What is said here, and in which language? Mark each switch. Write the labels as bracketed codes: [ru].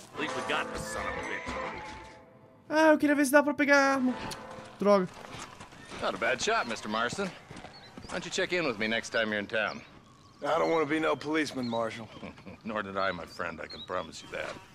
[en] At least we got the son of a bitch. [pt] Ah, eu queria ver se dá pra pegar a arma. Droga. [en] Not a bad shot, Mr. Marston. Why don't you check in with me next time you're in town? I don't want to be no policeman, Marshal. Nor did I, my friend, I can promise you that.